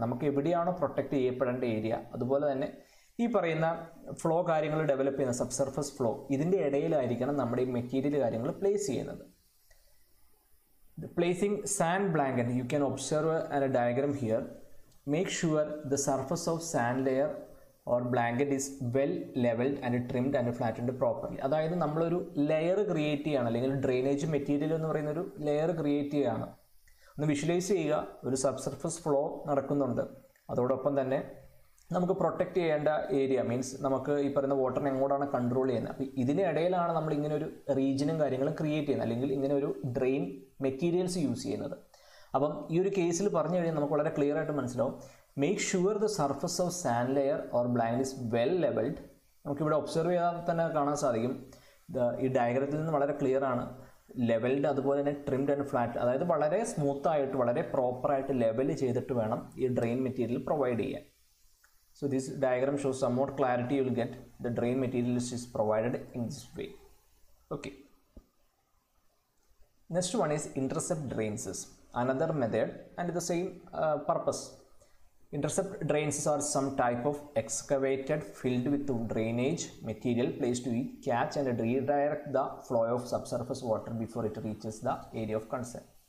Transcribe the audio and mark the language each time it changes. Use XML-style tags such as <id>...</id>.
<ml>നമുക്ക് എവിടെയാണോ protect ചെയ്യപ്പെടേണ്ട area, അതുപോലെ തന്നെ ഈ പറയുന്ന ഫ്ലോ കാര്യങ്ങൾ ഡെവലപ്പ് ചെയ്യുന്ന സബ്സർഫസ് ഫ്ലോ, ഇതിൻ്റെ ഇടയിലായിരിക്കണം നമ്മുടെ ഈ മെറ്റീരിയൽ കാര്യങ്ങൾ പ്ലേസ് ചെയ്യുന്നത്.</ml> <en>Placing sand blanket, you can observe an a diagram here. Make sure the surface of sand layer or blanket is well leveled and trimmed and flattened properly.</en> <ml>അതായത് നമ്മൾ ഒരു layer create ചെയ്യുകയാണ് അല്ലെങ്കിൽ drainage material എന്ന് പറയുന്ന ഒരു layer create ചെയ്യുകയാണ്. ഒന്ന് വിഷ്വലൈസ് ചെയ്യുക, ഒരു സബ്സർഫസ് ഫ്ലോ നടക്കുന്നുണ്ട്. അതോടൊപ്പം തന്നെ നമുക്ക് പ്രൊട്ടക്ട് ചെയ്യേണ്ട ഏരിയ മീൻസ് നമുക്ക് ഈ പറയുന്ന വാട്ടറിനെ എങ്ങോട്ടാണ് കൺട്രോൾ ചെയ്യുന്നത്, അപ്പോൾ ഇതിനിടയിലാണ് നമ്മൾ ഇങ്ങനെ ഒരു റീജിയനും കാര്യങ്ങളും ക്രിയേറ്റ് ചെയ്യുന്നത് അല്ലെങ്കിൽ ഇങ്ങനെ ഒരു ഡ്രെയിൻ മെറ്റീരിയൽസ് യൂസ് ചെയ്യുന്നത്. അപ്പം ഈ ഒരു കേസിൽ പറഞ്ഞു കഴിഞ്ഞാൽ നമുക്ക് വളരെ ക്ലിയർ ആയിട്ട് മനസ്സിലാവും.</ml> <en>Make sure the surface of sand layer or blank is well levelled.</en> <ml>നമുക്കിവിടെ ഒബ്സർവ് ചെയ്താൽ തന്നെ കാണാൻ സാധിക്കും ഈ ഡയഗ്രത്തിൽ നിന്ന് വളരെ ക്ലിയർ ആണ്. ലെവൽഡ് അതുപോലെ തന്നെ ട്രിംഡ് ആൻഡ് ഫ്ലാറ്റ്, അതായത് വളരെ സ്മൂത്തായിട്ട് വളരെ പ്രോപ്പറായിട്ട് ലെവൽ ചെയ്തിട്ട് വേണം ഈ ഡ്രെയിൻ മെറ്റീരിയൽ പ്രൊവൈഡ് ചെയ്യാൻ.</ml> <en>So this diagram shows some more clarity. You will get the drain material is provided in this way. Okay. Next one is intercept drain system. Another method and the same purpose. Intercept drain system are some type of excavated filled with drainage material placed to catch and redirect the flow of subsurface water before it reaches the area of concern.</en>